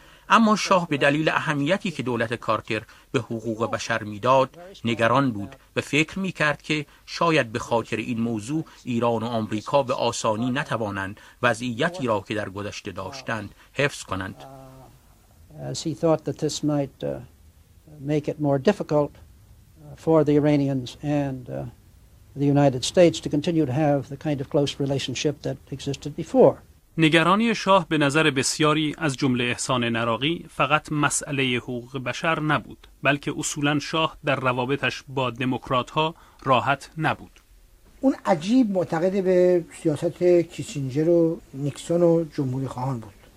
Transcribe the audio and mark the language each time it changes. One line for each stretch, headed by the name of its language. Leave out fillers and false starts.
Persian: اما شاه به دلیل اهمیتی که دولت کارتر به حقوق بشر میداد نگران بود و فکر می کرد که شاید به خاطر این موضوع ایران و آمریکا به آسانی نتوانند وضعیتی را که در گذشته داشتند حفظ کنند.
English: As he thought that this might make it more difficult for the Iranians and the United States to continue to have the kind of close relationship that existed before.
Persian: نگرانی شاه به نظر بسیاری از جمله احسان نراقی فقط مسئله حقوق بشر نبود، بلکه اصولا شاه در روابطش با دموکرات‌ها راحت نبود. اون عجیب معتقد به سیاست کیسینجر و نیکسون و جمهوری خواهان بود.